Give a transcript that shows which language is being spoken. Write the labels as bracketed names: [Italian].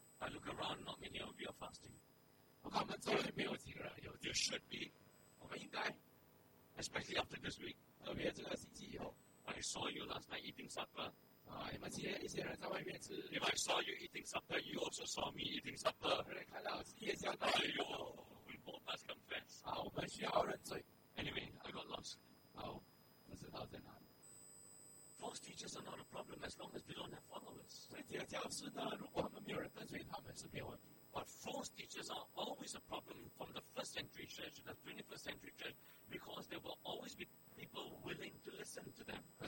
[English] I look around, not many of you are fasting. [Chinese] 我看我们周围没有几个人有。 [English] You should be. [Chinese] 我们应该, [English] especially after this week, [Chinese] 特别这个星期以后, [English] I saw you last night eating supper. [Chinese] 你们今天一些人在外面吃, [English] if I saw you eating supper, you also saw me eating supper. [Chinese] 看到夜宵, [English] we both must confess. [Chinese] 我们需要认罪。 [English] Anyway, I got lost. [Chinese] 不知道在哪。 [English] False teachers are not a problem as long as they don't have followers. [Chinese] 所以这个教师呢, 如果他们没有人跟随他们是没有问题。 [English] But false teachers are always a problem from the first century church to the 21st century church because there will always be people willing to listen to them.